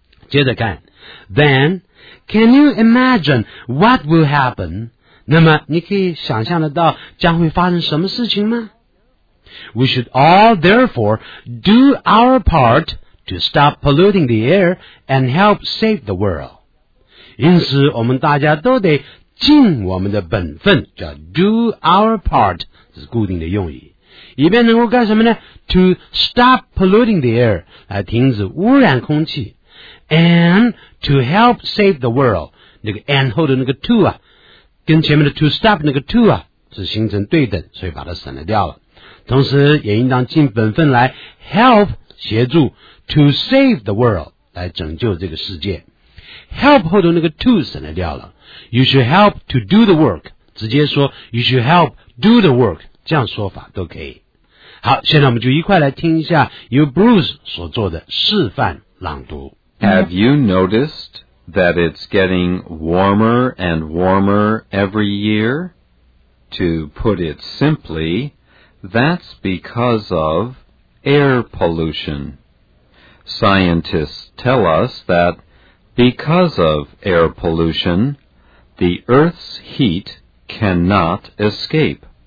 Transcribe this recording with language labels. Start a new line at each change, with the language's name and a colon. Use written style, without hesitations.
Chinese: 接着看
English: Then, can you imagine what will happen?
Chinese: 那么你可以想象得到将会发生什么事情吗？
English: We should all therefore do our part to stop polluting the air and help save the world.
Chinese: 因此我们大家都得尽我们的本分，叫 do our part， 这是固定的用语，以便能够干什么呢？
English: To stop polluting the air，
Chinese: 来停止污染空气，
English: and to help save the world，
Chinese: 那个 and 后的那个 to 啊，跟前面的 to stop 那个 to 啊，是形成对等，所以把它省了掉了。同时也应当尽本分来 help 协助
English: to save the world，
Chinese: 来拯救这个世界。
English: help
Chinese: 后的那个
English: to
Chinese: 省了掉了，
English: You should help to do the work.
Chinese: 直接说
English: You should help do the work.
Chinese: 这样说法都可以。好，现在我们就一块来听一下由 Bruce 所做的示范朗读。
English: Have you noticed that it's getting warmer and warmer every year? To put it simply, that's because of air pollution. Scientists tell us that because of air pollution,The Earth's heat cannot escape.